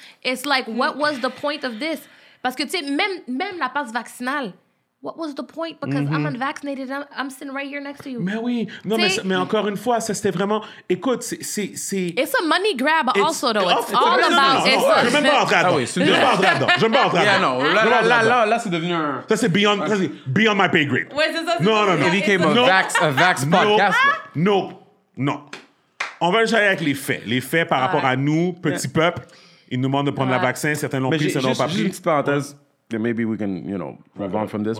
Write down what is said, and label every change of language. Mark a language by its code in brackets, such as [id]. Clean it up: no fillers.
[en] It's like, what was the point of this? [fr] Parce que, tu sais, même la passe vaccinale, [en] what was the point? Because I'm unvaccinated, I'm sitting right here next to you. [fr] Mais oui, non, mais encore une fois, ça c'était vraiment... Écoute, c'est... [en] It's a money grab it's, also, though. It's all about... [fr] Non, non, non, je m'en rentre là-dedans. Je m'en rentre là-dedans. Là, c'est devenu un... Ça, c'est [en] beyond, okay. beyond my pay grade. [fr] Ouais, c'est ça. C'est non, non, non. [en] It became a vax podcast. [fr] Non, non. On va juste aller avec les faits. Les faits par rapport à nous, petit peuple... Ils nous demandent de prendre le vaccin. Certains l'ont pris, certains l'ont pas pris. Juste une petite parenthèse. [en] Yeah, maybe we can, you know, move on from this.